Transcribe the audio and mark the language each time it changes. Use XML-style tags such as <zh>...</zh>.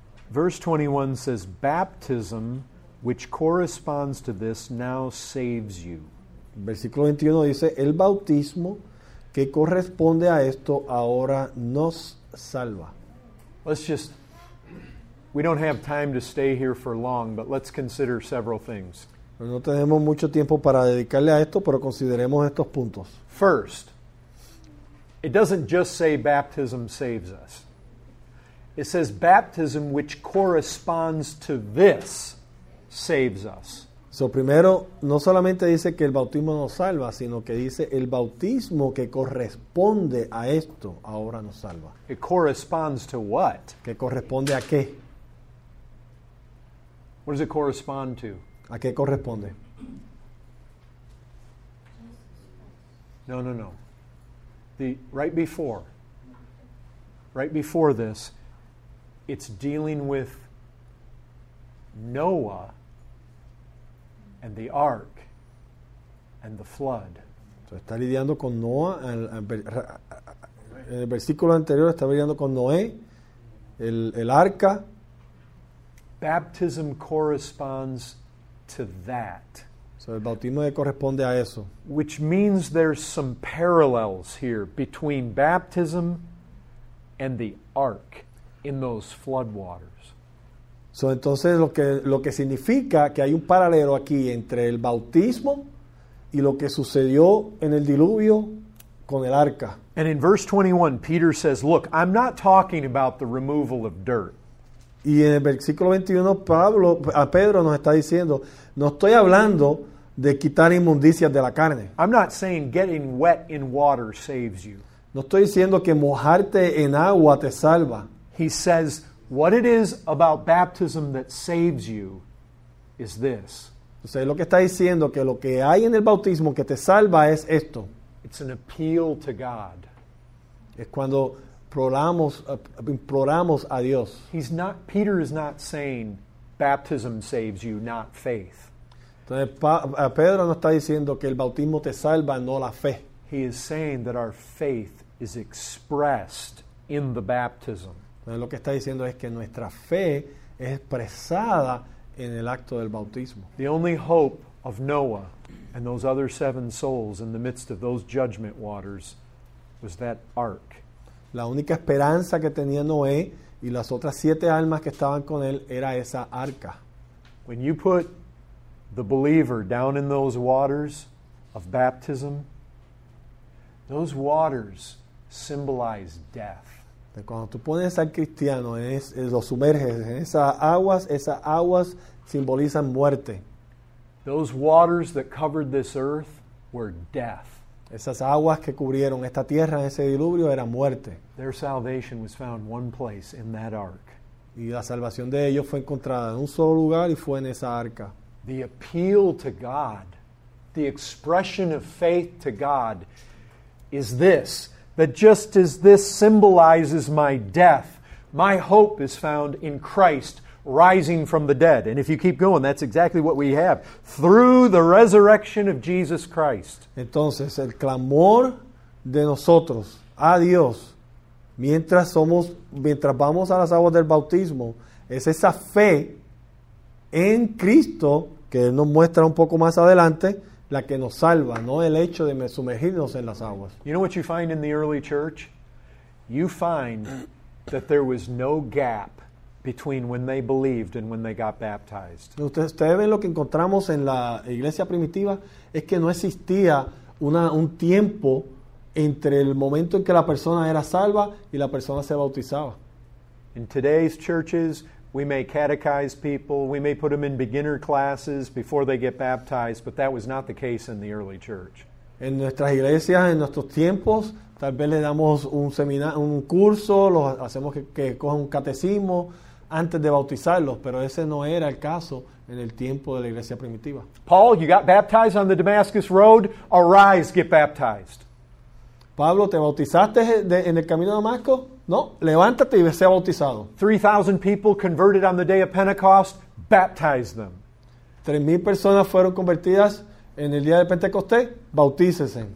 <en>Verse 21 says, baptism, which corresponds to this, now saves you.</en> <es>Versículo 21 dice, el bautismo que corresponde a esto ahora nos salva.</es> <en>Let's just, we don't have time to stay here for long, but let's consider several things.</en> <es>No tenemos mucho tiempo para dedicarle a esto, pero consideremos estos puntos.</es> <en>First, it doesn't just say baptism saves us. It says baptism which corresponds to this saves us.</en> <es>So primero, no solamente dice que el bautismo nos salva, sino que dice el bautismo que corresponde a esto ahora nos salva.</es> <en>It corresponds to what?</en> <es>¿Qué corresponde a qué?</es> <en>What does it correspond to?</en> <es>¿A qué corresponde? No, no, no.</es> <en>The right before this, it's dealing with Noah and the ark and the flood.</en> <es>So está lidiando con Noah. En el versículo anterior está lidiando con Noé, el arca.</es> <en>Baptism corresponds to that.</en> <es>So el bautismo le corresponde a eso.</es> <en>Which means there's some parallels here between baptism and the ark in those flood waters.</en> <es>So entonces lo que significa que hay un paralelo aquí entre el bautismo y lo que sucedió en el diluvio con el arca.</es> <en>And in verse 21, Peter says, look, I'm not talking about the removal of dirt.</en> <es>Y en el versículo 21, Pedro nos está diciendo, no estoy hablando de quitar inmundicias de la carne.</es> <en>I'm not saying getting wet in water saves you.</en> <es>No estoy diciendo que mojarte en agua te salva.</es> <en>He says, what it is about baptism that saves you is this.</en> <es>O sea, lo que está diciendo, que lo que hay en el bautismo que te salva es esto.</es> <en>It's an appeal to God.</en> <es>Es cuando imploramos a Dios.</es> <en>He's not, Peter is not saying baptism saves you, not faith.</en> <es>Entonces, Pedro no está diciendo que el bautismo te salva, no la fe.</es> <en>He is saying that our faith is expressed in the baptism.</en> <es>Entonces, lo que está diciendo es que nuestra fe es expresada en el acto del bautismo.</es> <en>The only hope of Noah and those other 7 souls in the midst of those judgment waters was that ark.</en> <es>La única esperanza que tenía Noé y las otras 7 almas que estaban con él era esa arca.</es> <en>When you put the believer down in those waters of baptism, those waters symbolize death.</en> <es>Cuando tú pones al cristiano, lo sumerges en esas aguas simbolizan muerte.</es> <en>Those waters that covered this earth were death.</en> <es>Esas aguas que cubrieron esta tierra en ese diluvio era muerte.</es> <en>Their salvation was found one place in that ark.</en> <es>Y la salvación de ellos fue encontrada en un solo lugar y fue en esa arca.</es> <en>The appeal to God, the expression of faith to God is this, that just as this symbolizes my death, my hope is found in Christ rising from the dead. And if you keep going, that's exactly what we have. Through the resurrection of Jesus Christ.</en> <es>Entonces, el clamor de nosotros a Dios, mientras vamos a las aguas del bautismo, es esa fe en Cristo, que Él nos muestra un poco más adelante, la que nos salva, no el hecho de sumergirnos en las aguas.</es> <en>You know what you find in the early church? You find that there was no gap between when they believed and when they got baptized.</en> <es>Ustedes ven lo que encontramos en la iglesia primitiva es que no existía un tiempo entre el momento en que la persona era salva y la persona se bautizaba.</es> <en>In today's churches, we may catechize people, we may put them in beginner classes before they get baptized, but that was not the case in the early church.</en> <es>En nuestras iglesias, en nuestros tiempos, tal vez le damos un curso, lo hacemos que coja un catecismo antes de bautizarlos, pero ese no era el caso en el tiempo de la iglesia primitiva.</es> <en>Paul, you got baptized on the Damascus Road, arise, get baptized.</en> <es>Pablo, ¿te bautizaste en el camino de Damasco? No, levántate y sea bautizado.</es> <en>3,000 people converted on the day of Pentecost, baptize them.</en> <es>3,000 personas fueron convertidas en el día de Pentecostés, bautícese.</es>